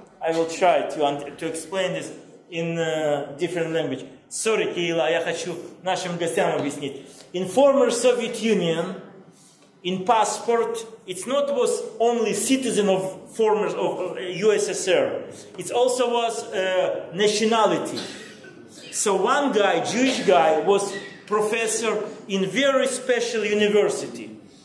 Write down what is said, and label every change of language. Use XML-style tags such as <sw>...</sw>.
<en>I will try to explain this in different language. Sorry,</en> <ru>Кирилла, я хочу нашим гостям объяснить.</ru> <en>In former Soviet Union, in passport, it's not was only citizen of former of USSR. It also was nationality. So one guy, Jewish guy, was professor in very special university.</en>